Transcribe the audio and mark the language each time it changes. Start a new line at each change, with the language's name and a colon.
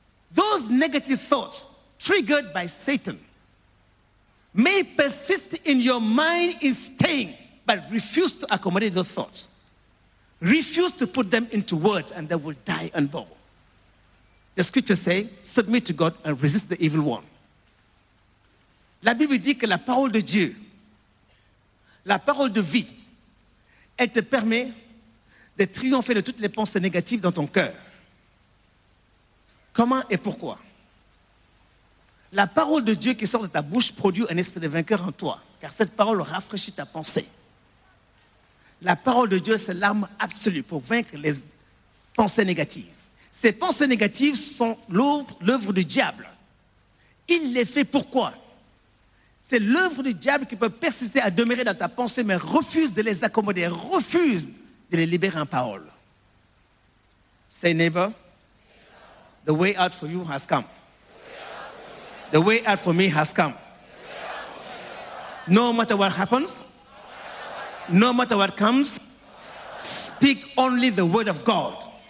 English: Those negative thoughts triggered by Satan may persist in your mind in staying, but refuse to accommodate those thoughts. Refuse to put them into words and they will die and bow. The scripture says, submit to God and resist the evil one.
French: La Bible dit que la parole de Dieu, la parole de vie, elle te permet de triompher de toutes les pensées négatives dans ton cœur. Comment et pourquoi? La parole de Dieu qui sort de ta bouche produit un esprit de vainqueur en toi, car cette parole rafraîchit ta pensée. La parole de Dieu, c'est l'arme absolue pour vaincre les pensées négatives. Ces pensées négatives sont l'œuvre du diable. Il les fait pourquoi? C'est l'œuvre du diable qui peut persister à demeurer dans ta pensée, mais refuse de les accommoder, refuse de les libérer en parole.
English: Say, neighbor, the way out for you has come. The way out for me has come. No matter what happens, no matter what comes, speak only the word of God.